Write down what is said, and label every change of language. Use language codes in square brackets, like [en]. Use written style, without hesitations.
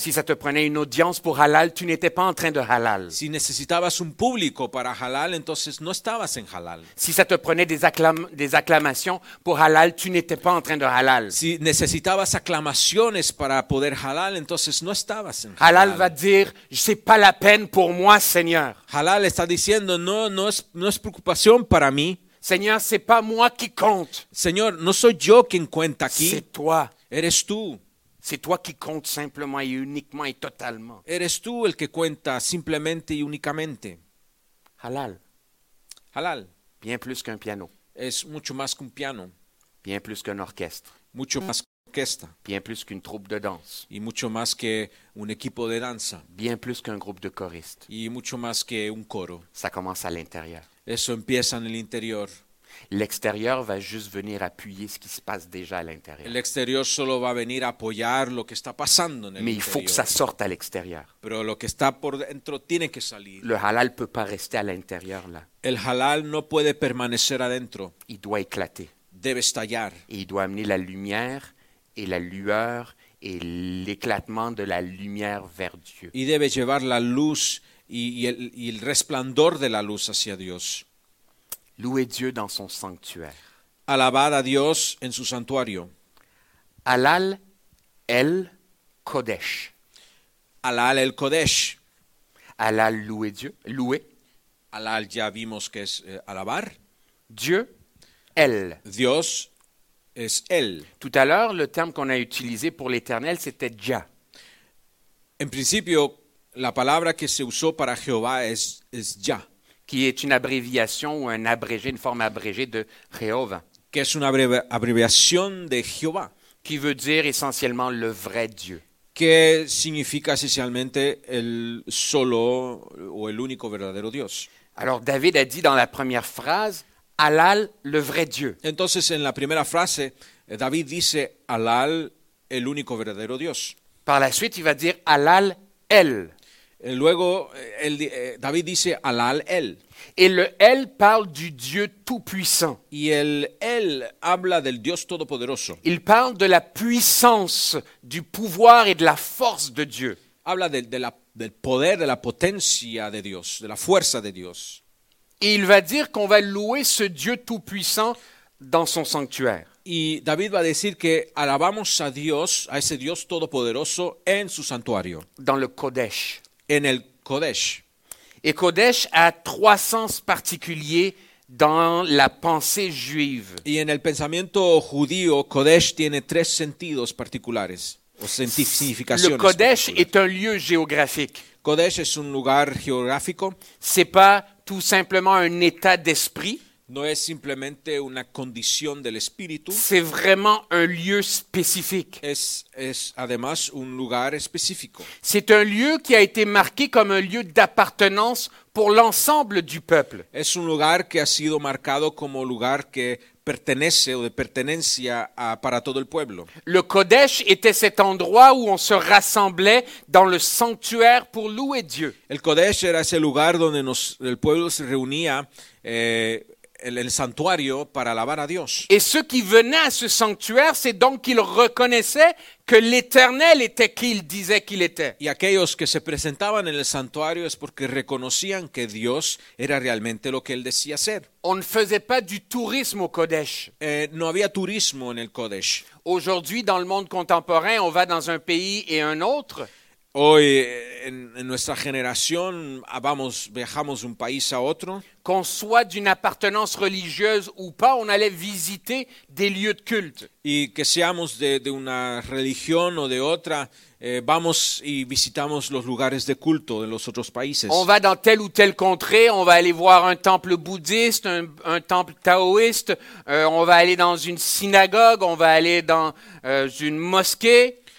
[fr] Si ça te prenait une audience pour halal, tu n'étais pas en train de halal. [es] Si necesitabas un público para halal, entonces no estabas en halal. [fr] Si ça te prenait des acclamations pour halal, tu n'étais pas en train de halal. [es] Si necesitabas aclamaciones para poder halal, entonces no estabas en halal. [fr] Halal va dire, c'est pas la peine pour moi, Seigneur. [es] Halal está diciendo, no es preocupación para mí. [fr] Seigneur, c'est pas moi qui compte. [es] Señor, no soy yo quien cuenta aquí. [fr] C'est toi. [es] Eres tú. [fr] C'est toi qui compte simplement et uniquement et totalement. [es] Eres tú el que cuenta simplemente y únicamente. [fr] Halal. [es] Halal. [fr] Bien plus qu'un piano. [es] Es mucho más que un piano. [fr] Bien plus qu'un orchestre. [es] Mucho más [fr] bien plus qu'une troupe de danse. [es] Y mucho más que un equipo de danza. [fr] Bien plus qu'un groupe de choristes. [es] Y mucho más que un coro. [fr] Ça commence à l'intérieur. [es] Eso empieza en el interior. [fr] L'extérieur va juste venir appuyer ce qui se passe déjà à l'intérieur. [es] L'extérieur solo va venir apoyar lo que está pasando en el [fr] interior. Mais il faut que ça sorte à l'extérieur. [es] Pero lo que está por dentro tiene que salir. [fr] Le halal peut pas rester à l'intérieur là. [es] El halal no puede permanecer adentro. [fr] Il doit éclater. [es] Debe estallar. [fr] Et il doit amener la lumière et la lueur et l'éclatement de la lumière vers Dieu. [es] Y debe llevar la luz y el resplandor de la luz hacia Dios. [fr] Louez Dieu dans son sanctuaire. [es] Alabad a Dios en su santuario. [he] Halal el Kodesh. Halal el Kodesh. [fr] Halal louez Dieu. Louez. [es] Halal ya vimos que es alabar. [fr] Dieu, el. [es] Dios. Es él. [fr] Tout à l'heure, le terme qu'on a utilisé pour l'Éternel, c'était Jah. [es] En principio, la palabra que se usó para Jehová es Jah, [fr] qui est une abréviation ou un abrégé, une forme abrégée de Jehovah. [es] Que es una abreviación de Jehová. [fr] Qui veut dire essentiellement le vrai Dieu. [es] Que significa esencialmente el solo o el único verdadero Dios. [fr] Alors David a dit dans la première phrase. Halal, le vrai Dieu. [es] Entonces, en la primera frase, David dice, Halal, el único verdadero Dios. [fr] Par la suite, il va dire, Halal, el. [es] Luego, David dice, Halal, el. [fr] Et le el parle du Dieu tout-puissant. [es] Y el habla del Dios todopoderoso. [fr] Il parle de la puissance, du pouvoir et de la force de Dieu. [es] Habla del poder, de la potencia de Dios, de la fuerza de Dios. [fr] Et il va dire qu'on va louer ce Dieu tout-puissant dans son sanctuaire. [es] Y David va decir que alabamos a Dios, a ese Dios todopoderoso en su santuario. [fr] Dans le Kodesh. [es] En el Kodesh. [fr] Et Kodesh a trois sens particuliers dans la pensée juive. [es] Y en el pensamiento judío, Kodesh tiene tres sentidos particulares. O significaciones. [fr] Le Kodesh est un lieu géographique. [es] Kodesh es un lugar geográfico. [fr] C'est pas tout simplement un état d'esprit. [es] No es simplemente una condición del espíritu. [fr] C'est vraiment un lieu spécifique. [es] Es además un lugar específico. [fr] C'est un lieu qui a été marqué comme un lieu d'appartenance pour l'ensemble du peuple. [es] Es un lugar que ha sido marcado como lugar que pertenece o de pertenencia a, para todo el pueblo. [fr] Le Kodesh était cet endroit où on se rassemblait dans le sanctuaire pour louer Dieu. [es] El Kodesh era ese lugar donde el pueblo se reunía el santuario para alabar a Dios. [fr] Et ceux qui venaient à ce sanctuaire, c'est donc qu'ils reconnaissaient que l'Éternel était qui il disait qu'il était. [es] Y aquellos que se presentaban en el santuario es porque reconocían que Dios era realmente lo que él decía ser. [fr] On ne faisait pas du tourisme au Kodesh. [es] No había turismo en el Kodesh. [fr] Aujourd'hui, dans le monde contemporain, on va dans un pays et un autre. [es] Hoy, en nuestra generación, viajamos de un país a otro. [fr] Qu'on soit d'une appartenance religieuse ou pas, on allait visiter des lieux de culte. [es] Y que seamos de una religión o de otra, vamos y visitamos los lugares de culto de los otros países. [fr] On va dans telle ou telle contrée, on va aller voir un temple bouddhiste, un temple taoïste, on va aller dans une synagogue, on va aller dans une mosquée.